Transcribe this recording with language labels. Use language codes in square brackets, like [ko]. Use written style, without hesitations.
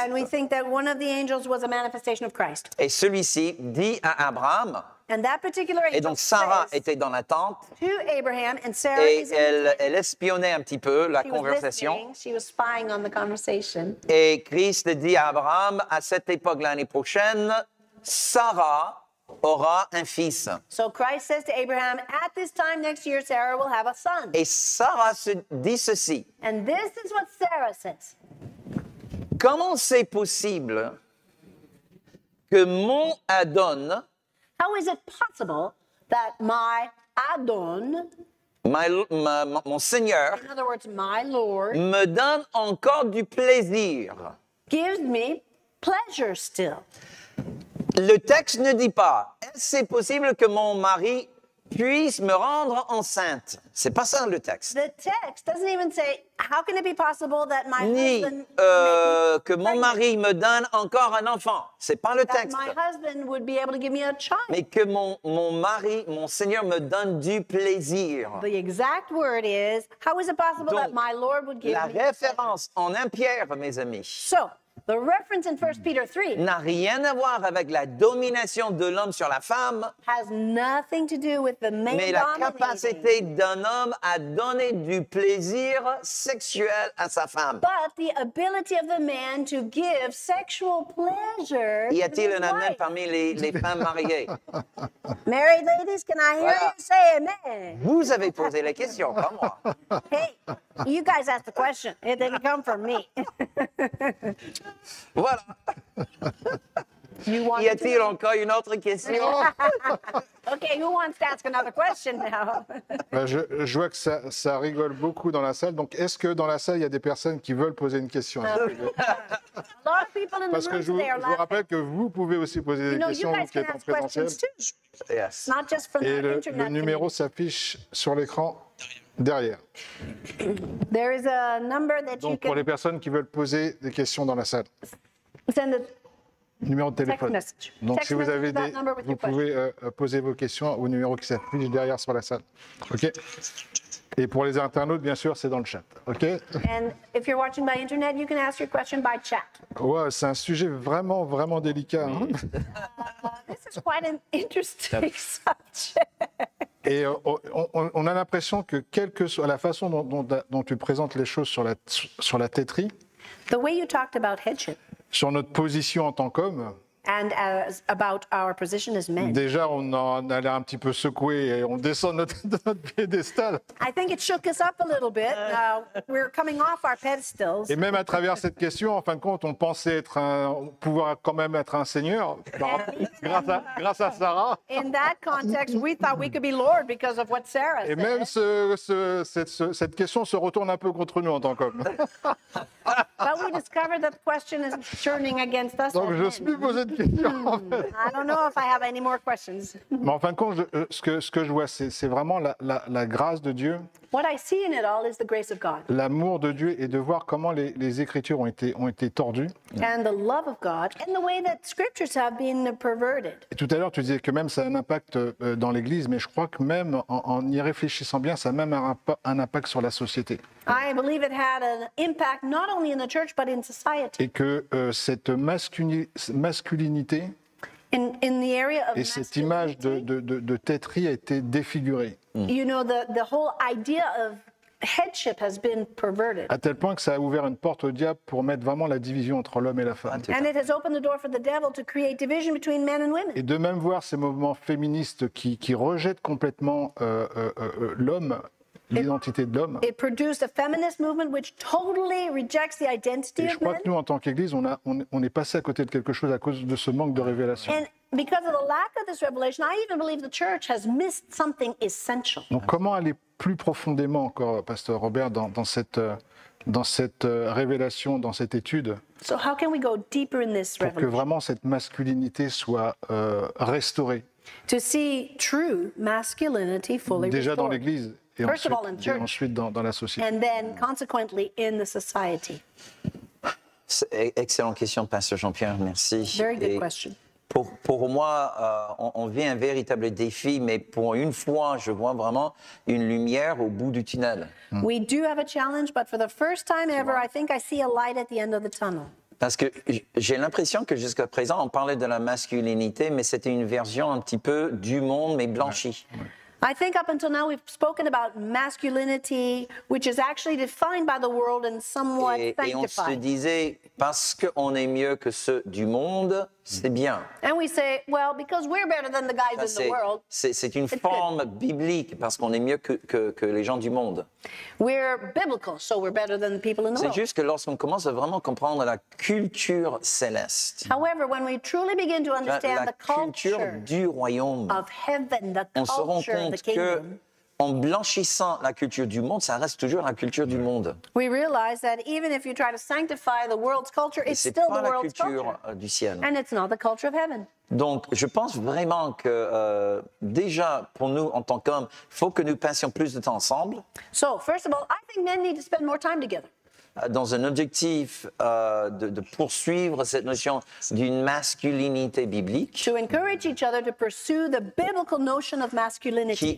[en] And we think that one of the angels was a manifestation of Christ. [fr] Et celui-ci dit à Abraham. [en] And that particular angel [fr] et donc Sarah était dans la tente. [en] To Abraham and Sarah [fr] et elle espionnait un petit peu la [en] she [fr] conversation. [en] Was she was spying on the conversation. [fr] Et Christ dit à Abraham, à cette époque l'année prochaine, Sarah aura un fils. [en] So Christ says to Abraham, at this time next year, Sarah will have a son. [fr] Et Sarah dit ceci. [en] And this is what Sarah says. [fr] Comment c'est possible que mon Adon... [en] How is it possible that my Adon, [fr] mon Seigneur, [en] in other words, my Lord, [fr] me donne encore du plaisir? [en] Gives me pleasure still. [fr] Le texte ne dit pas, est-ce possible que mon mari puisse me rendre enceinte? C'est pas ça le texte. [en] The text doesn't even say, how can it be possible that my [fr] Ni, [en] husband... [fr] que mon mari me donne encore un enfant. C'est pas le texte. [en] That my husband would be able to give me a child. [fr] Mais que mon mari, mon Seigneur, me donne du plaisir. [en] The exact word is, how is it possible [fr] Donc, [en] that my Lord would give [fr] la [en] me... [fr] la référence en 1 Pierre, mes amis. [en] So, the reference in 1 Peter 3 [fr] n'a rien à voir avec la domination de l'homme sur la femme, [en] has nothing to do with the man [fr] mais la capacité d'un homme à donner du plaisir sexuel à sa femme. [en] But the ability of the man to give sexual pleasure [fr] y a-t-il un amen parmi les femmes mariées? [en] Married ladies, can I hear you say amen? [fr] Vous avez posé la question, pas moi. [en] Hey, you guys asked the question. It didn't come from me. [fr] Voilà. [en] You want [fr] y a-t-il encore une autre question? [en] OK, who wants to ask another question now? [fr] Ben je vois que ça rigole beaucoup dans la salle. Donc, est-ce que dans la salle, il y a des personnes qui veulent poser une question? Parce que je vous rappelle que vous pouvez aussi poser des questions, vous qui êtes en présentiel. [en] Yes. Not just from [fr] Et le numéro s'affiche sur l'écran. Derrière. [en] There is a number that [fr] Donc, [en] you [fr] pour [en] can [fr] les personnes qui veulent poser des questions dans la salle, [en] send a [fr] numéro de téléphone. [en] Text message. [fr] Donc, [en] text [fr] si vous avez des, vous pouvez poser vos questions au numéro qui s'affiche derrière sur la salle. OK. Et pour les internautes, bien sûr, c'est dans le chat. OK. [en] And if you're watching by internet, you can ask your question by chat. [fr] Ouais, c'est un sujet vraiment, vraiment délicat. Hein? [en] This is quite an interesting subject. [fr] Et on a l'impression que, quelle que soit la façon dont tu présentes les choses sur la tétrie, [en] the way you talked about headship, [fr] sur notre position en tant qu'homme, [en] and as about our position as men, [fr] déjà on en a l'air un petit peu secoué et on descend de notre piédestal. [en] I think it shook us up a little bit. We're coming off our pedestals. [fr] Et même à travers cette question, en fin de compte, on pensait pouvoir quand même être un seigneur grâce à Sarah. [en] In that context, we thought we could be Lord because of what Sarah [fr] et [en] said. [fr] Et même cette question se retourne un peu contre nous en tant qu'homme. [en] But we discover that the question is turning against us. [fr] Donc je ne suis plus posé de questions. En fait. [en] I don't know if I have any more questions. [fr] Mais en fin de compte, ce que je vois, c'est vraiment la grâce de Dieu. [en] What I see in it all is the grace of God. [fr] L'amour de Dieu et de voir comment les écritures ont été tordues. [en] And the love of God and the way that scriptures have been perverted. [fr] Et tout à l'heure, tu disais que même ça a un impact dans l'Église, mais je crois que même en y réfléchissant bien, ça a même un impact sur la société. [en] I believe it had an impact not only in the church but in society. [fr] Et que cette masculinité [en] in the area of [fr] et cette image de têterie a été défigurée. [en] You know, the whole idea of headship has been perverted. [fr] À tel point que ça a ouvert une porte au diable pour mettre vraiment la division entre l'homme et la femme. [en] And it has opened the door for the devil to create division between men and women. [fr] Et de même voir ces mouvements féministes qui rejettent complètement l'homme, l'identité de l'homme. [en] It produced a feminist movement which totally rejects the identity of men. [fr] Et je crois que nous, en tant qu'Église, on est passé à côté de quelque chose à cause de ce manque de révélation. [en] Because of the lack of this revelation, I even believe the church has missed something essential. [fr] Donc comment aller plus profondément encore, Pasteur Robert, dans cette révélation, dans cette étude? [en] So how can we go deeper in this revelation? [fr] Pour que vraiment cette masculinité soit restaurée. [en] To see true masculinity fully restored. [fr] Déjà dans l'Église et ensuite dans la société. [en] And then consequently in the society. [fr] Excellente question, Pasteur Jean-Pierre, merci. [en] Very good question. [fr] Pour moi, on vit un véritable défi, mais pour une fois, je vois vraiment une lumière au bout du tunnel. [en] We do have a challenge, but for the first time ever, I think I see a light at the end of the tunnel. [fr] Parce que j'ai l'impression que jusqu'à présent, on parlait de la masculinité, mais c'était une version un petit peu du monde, mais blanchie. [en] I think up until now we've spoken about masculinity, which is actually defined by the world and somewhat sanctified. [fr] Et on se disait, parce qu'on est mieux que ceux du monde, c'est bien. [en] And we say, well, because we're better than the guys in the world. [fr] C'est une forme biblique, parce qu'on est mieux que les gens du monde. [en] We're biblical, so we're better than the people in the world. [fr] C'est juste que lorsqu'on commence à vraiment comprendre la culture céleste. [en] However, when we truly begin to understand the culture [fr] du royaume, [en] of heaven, the culture, [fr] on se rend compte que en blanchissant la culture du monde, ça reste toujours la culture du monde. [en] We realize that even if you try to sanctify the world's culture, it's still the world's culture. [fr] Et c'est pas la culture du ciel. [en] And it's not the culture of heaven. [fr] Donc, je pense vraiment que déjà, pour nous, en tant qu'hommes, il faut que nous passions plus de temps ensemble. [en] So, first of all, I think men need to spend more time together. [fr] Dans un objectif de poursuivre cette notion d'une masculinité biblique. [en] To encourage each other to pursue the biblical notion of masculinity.